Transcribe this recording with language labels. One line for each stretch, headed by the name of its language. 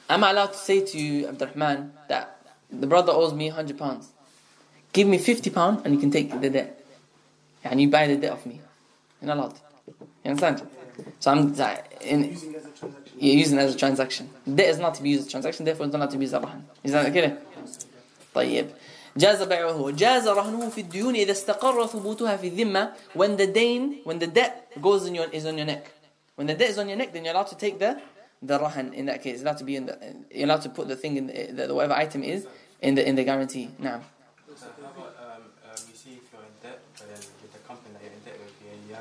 English: Am I allowed to say to you, Abdurrahman, that the brother owes me £100? Give me £50 and you can take the debt. And you buy the debt off me. You're not allowed. You understand? So I'm using it as a transaction. You're using it as a transaction. Debt is not to be used as a transaction, therefore it's not to be used as a rahan. Is that okay? طيب.
Arabic: جاز بيعه جاز رهنه في الديون إذا استقر ثبوتها في الذمة.
English: When the deen, when the debt goes in your, is on your neck, when the debt is on your neck, then you're allowed to take the rahan in that case. You're allowed to be in the, you're allowed to put the thing in the whatever item is in the guarantee. Now, so how about you see if you're in debt, but then with the company that you're in debt with, you have